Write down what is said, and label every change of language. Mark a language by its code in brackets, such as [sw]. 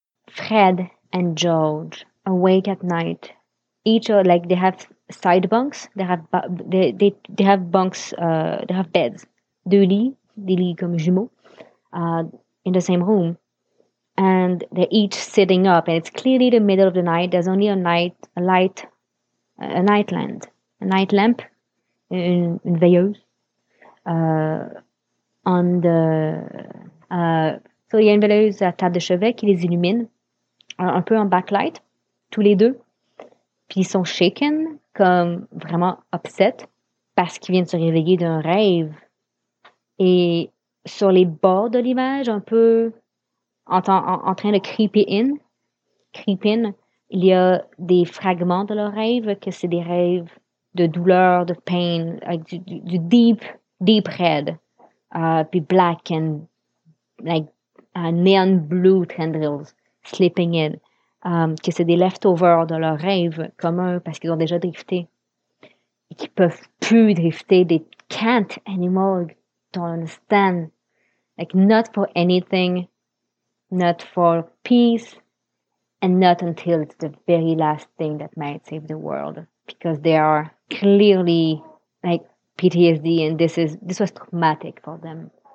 [en] Fred and George awake at night, each are, like, they have side bunks, they have beds, [fr] deux lits, comme jumeaux, [en] in the same room, and they're each sitting up, and it's clearly the middle of the night. There's only a night lamp, [fr] in veilleuse, on the, so il y a une veilleuse à table de chevet qui les illumine, un peu en backlight, tous les deux, puis ils sont shaken, comme vraiment upset, parce qu'ils viennent se réveiller d'un rêve. Et sur les bords de l'image, un peu en train de creep in, il y a des fragments de leur rêve, que c'est des rêves de douleur, de pain, avec du deep red, puis [en] black and like neon blue tendrils slipping in. [fr] Que c'est des leftovers de leurs rêves communs parce qu'ils ont déjà drifté et qu'ils peuvent plus drifter. [en] They can't anymore, don't understand. Like, not for anything, not for peace, and not until it's the very last thing that might save the world, because they are clearly like PTSD, and this was traumatic for them.